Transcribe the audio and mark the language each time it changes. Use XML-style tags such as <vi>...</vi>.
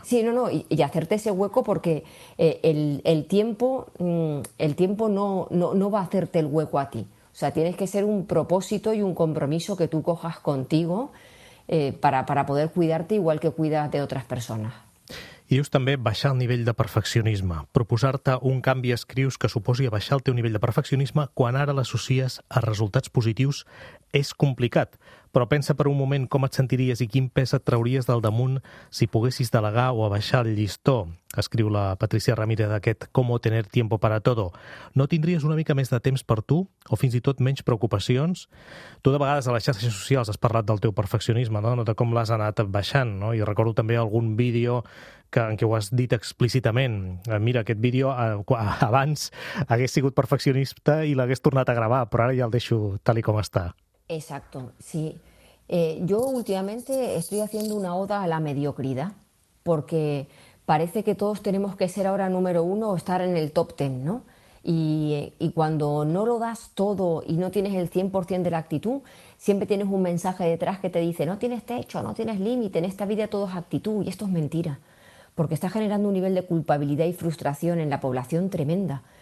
<es>Sí, no, y hacerte ese hueco porque el tiempo no va a hacerte el hueco a ti. O sea, tienes que ser un propósito y un compromiso que tú cojas contigo para poder cuidarte igual que cuidas de otras personas.</es> <ca>I dius també baixar el nivell de perfeccionisme. Proposar-te un canvi, escrius, que suposi baixar el teu nivell de perfeccionisme quan ara l'associes a resultats positius és complicat. Però pensa per un moment com et sentiries i quin pes et trauries del damunt si poguessis delegar o abaixar el llistó, escriu la Patricia Ramírez d'aquest Cómo tener tiempo para todo. No tindries una mica més de temps per tu o fins i tot menys preocupacions? Tu de vegades a les xarxes socials has parlat del teu perfeccionisme, no? De com l'has anat baixant, no? I recordo també algun vídeo en què ho has dit explícitament. Mira, aquest vídeo abans hagués sigut perfeccionista i l'hagués tornat a gravar, però ara ja el deixo tal i com està.</ca> <es>Exacto, sí. Yo últimamente estoy haciendo una oda a la mediocridad, porque parece que todos tenemos que ser ahora número uno o estar en el top ten, ¿no? Y cuando no lo das todo y no tienes el 100% de la actitud, siempre tienes un mensaje detrás que te dice no tienes techo, no tienes límite, en esta vida todo es actitud, y esto es mentira, porque está generando un nivel de culpabilidad y frustración en la población tremenda.</es>